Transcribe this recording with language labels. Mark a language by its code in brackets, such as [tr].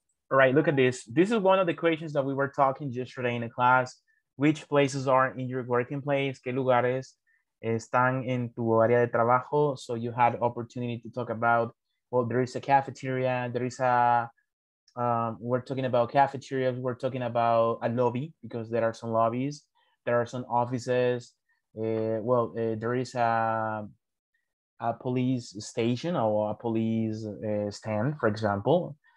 [en] All right, look at this. This is one of the questions that we were talking yesterday in the class. Which places are in your working place? [es] ¿Qué lugares están en tu área de trabajo? [en] So you had opportunity to talk about, well, there is a cafeteria, there is a, we're talking about cafeterias, we're talking about a lobby, because there are some lobbies, there are some offices. Well, there is a police station or a police stand, for example.